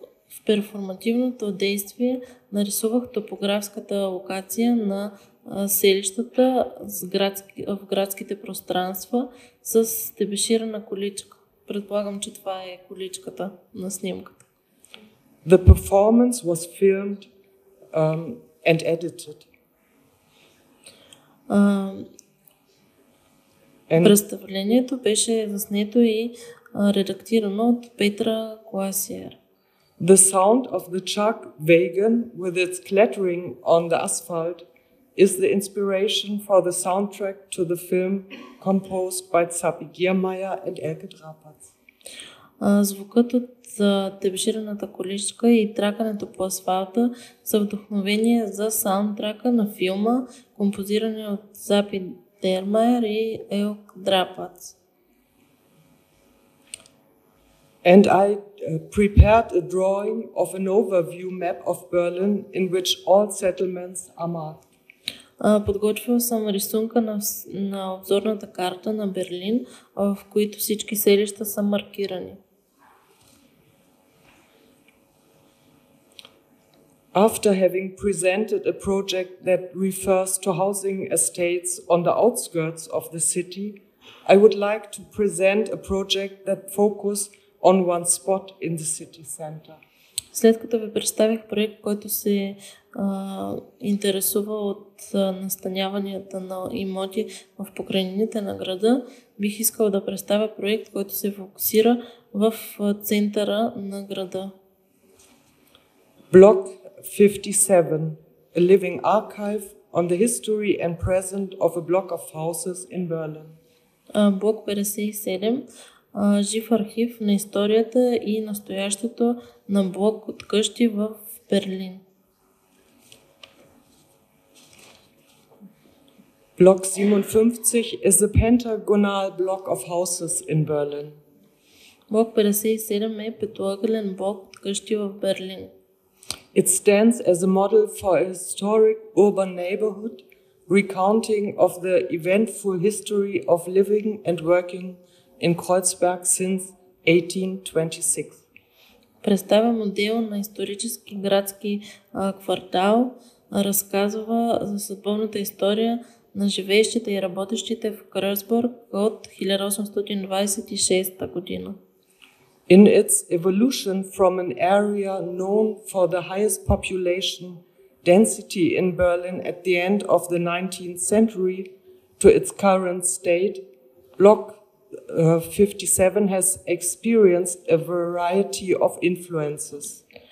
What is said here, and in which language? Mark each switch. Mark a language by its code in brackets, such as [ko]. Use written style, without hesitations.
[bg] В перформативното действие нарисувах топографската локация на селищата в градските пространства с дебеширана количка. Предполагам, че това е количката на снимката. [en] The performance was filmed and edited. [bg] Представлението беше заснето и редактирано от Петра Гласиер. [en] The sound of the chuck wagon with its clattering on the asphalt is the inspiration for the soundtrack to the film composed by Zappi Giermeier and Elke Drapac. [bg] Звукът от дебеширената количка и тракането по асфалта са вдъхновение за саундтрака на филма, композиран от Zappi Giermeier и Elke Drapac. [en] And I prepared a drawing of an overview map of Berlin in which all settlements are marked. [bg] Подготвил съм рисунка на обзорната карта на Берлин, в които всички селища са маркирани. [en] After having presented a project that refers to housing estates on the outskirts of the city, I would like to present a project that focuses on one spot in the city center. [bg] След като ви представих проект, който се интересува от настаняванията на имоти в покрайнините на града, бих искал да представя проект, който се фокусира в центъра на града. [en] Block 57, a living archive on the history and present of a block of houses in Berlin. [bg] Блок 57, жив архив на историята и настоящето на блок от къщи в Берлин. [en] Block 57 is a pentagonal block of houses in Berlin. [bg] Блок 57 е петагонален блок от къщи в Берлин. [en] It stands as a model for a historic urban neighborhood, recounting of the eventful history of living and working in Kreuzberg since 1826. [bg] Представя модел на исторически градски квартал, разказва за съдбовната история на живеещите и работещите в Кръсбург от 1826 година. [en] In its evolution from an area known for the highest population density in Berlin at the end of the 19th century to its current state, Block 57 has experienced a variety of influences.